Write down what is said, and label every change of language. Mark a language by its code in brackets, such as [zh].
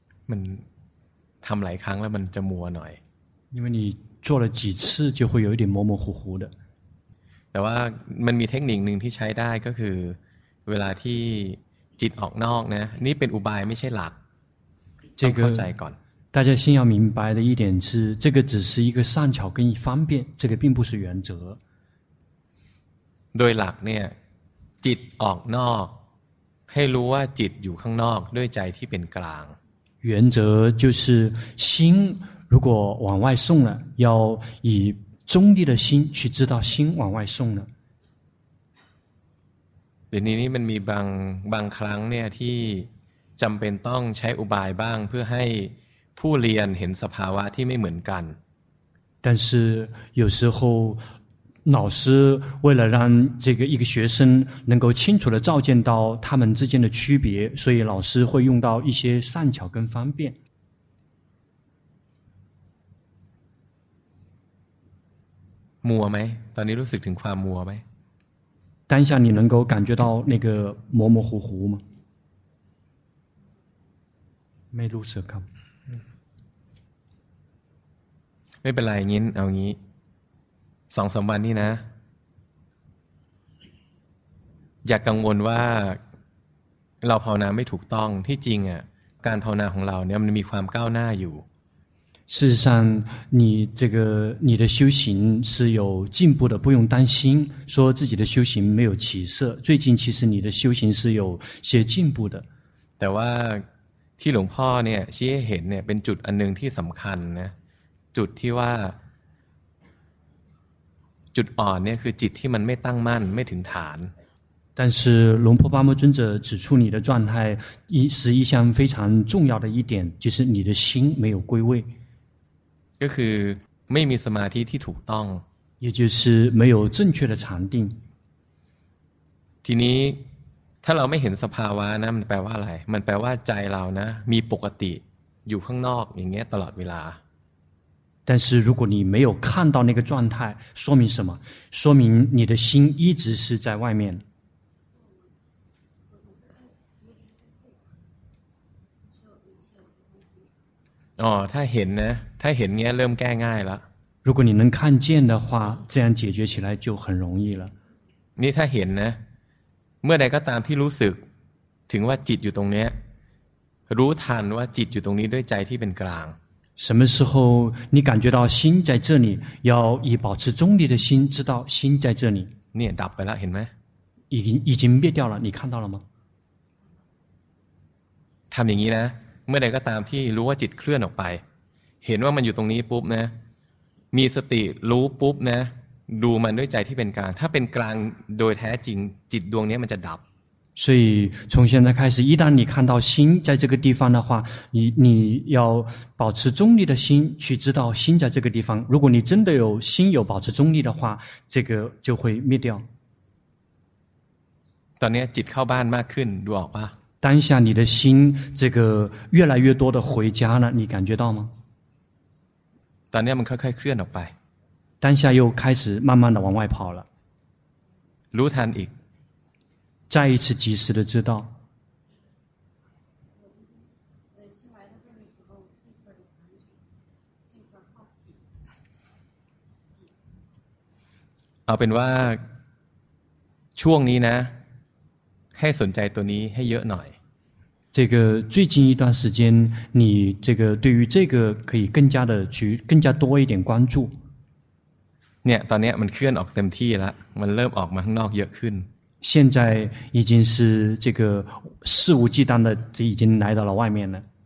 [th] มันทำหลายครั้งแล้วมันจะมัวหน่อย [zh] 因为你做了几次就会有一点模模糊糊的 [th] แต่ว่ามันมีเทคนิคหนึ่งที่ใช้ได้ก็คือเวลาที่จิตออกนอกนะนี่เป็นอุบายไม่ใช่หลัก [zh] 这个 [th] ต้องเข้าใจก่อน [zh] 大家先要明白的一点是这个只是一个善巧跟方便这个并不是原则 [th] โดยหลักเนี่ยจิตออกนอกให้รู้ว่าจิตอยู่ข้างนอกด้วยใจที่เป็นกลาง [zh] 原则就是心如果往外送了要以中立的心去知道心往外送了 [th] ทีนี้มันมีบางครั้งเนี่ยที่จำเป็นต้องใช้อุบายบ้างเพื่อให้ผู้เรียนเห็นสภาวะที่ไม่เหมือนกัน [zh] 但是有时候老师为了让这个一个学生能够清楚地照见到他们之间的区别所以老师会用到一些善巧跟方便 [th] มัวไหมตอนนี้รู้สึกถึงความมัวไหม [zh] 当下你能够感觉到那个模模糊糊吗 [th] ไม่รู้สึกครับ ไม่เป็นไรงี้เอางี้สองสามวันนี้นะอย่ากังวลว่าเราภาวนาไม่ถูกต้องที่จริงอ่ะการภาวนาของเราเนี่ยมันมีความก้าวหน้าอยู่ [zh] 事实上你这个你的修行是有进步的不用担心说自己的修行没有起色最近其实你的修行是有些进步的 [th] แต่ว่าที่หลวงพ่อเนี่ยชี้ให้เห็นเนี่ยเป็นจุดอันนึงที่สำคัญนะจุดที่ว่าจุดอ่อนเนี่ยคือจิตที่มันไม่ตั้งมั่นไม่ถึงฐาน [zh] 但是龙婆巴木尊者指出你的状态是一项非常重要的一点就是你的心没有归位 [th] ก็คือไม่มีสมาธิที่ถูกต้อง [zh] 也就是没有正确的禅定 [th] ทีนี้ถ้าเราไม่เห็นสภาวะนะมันแปลว่าอะไรมันแปลว่าใจเรานะมีปกติอยู่ข้างนอกอย่างเงี้ยตลอดเวลา [zh] 但是如果你没有看到那个状态说明什么说明你的心一直是在外面 [th] 哦ถ้าเห็นนะถ้าเห็นเงี้ยเริ่มแก้ง่ายแล้ว [zh] 如果你能看见的话这样解决起来就很容易了 [th] นี่ถ้าเห็นนะเมื่อใดก็ตามที่รู้สึกถึงว่าจิตอยู่ตรงเนี้ยรู้ทันว่าจิตอยู่ตรงนี้ด้วยใจที่เป็นกลาง [zh] 什么时候你感觉到心在这里要以保持中立的心知道心在这里 [th] เนี่ยดับไปแล้วเห็นไหม [zh] 已经灭掉了你看到了吗 [th] ทำอย่างนี้นะเมื่อใดก็ตามที่รู้ว่าจิตเคลื่อนออกไปเห็นว่ามันอยู่ตรงนี้ปุ๊บนะมีสติรู้ปุ๊บนะดูมันด้วยใจที่เป็นกลางถ้าเป็นกลางโดยแท้จริงจิตดวงนี้มันจะดับ [zh] 所以从现在开始一旦你看到心在这个地方的话你要保持中立的心去知道心在这个地方如果你真的有心有保持中立的话这个就会灭掉 [th] ตอนนี้จิตเข้าบ้านมากขึ้นดูออกปะ [zh] 当下你的心这个越来越多的回家了你感觉到吗 [th] ตอนนี้มันค่อยๆเคลื่อนออกไป [zh] 当下又开始慢慢的往外跑了 [th] รู้ทันอีก [zh] 再一次及时的知道 [th] เอาเป็นว่าช่วงนี้นะให้สนใจตัวนี้ให้เยอะหน่อย [zh] 这个最近一段时间你这个对于这个可以更加的去更加多一点关注 [th] เนี่ยตอนนี้มันเคลื่อนออกเต็มที่แล้วมันเริ่มออกมาข้างนอกเยอะขึ้น [zh] 现在已经是这个肆无忌惮的已经来到了外面了。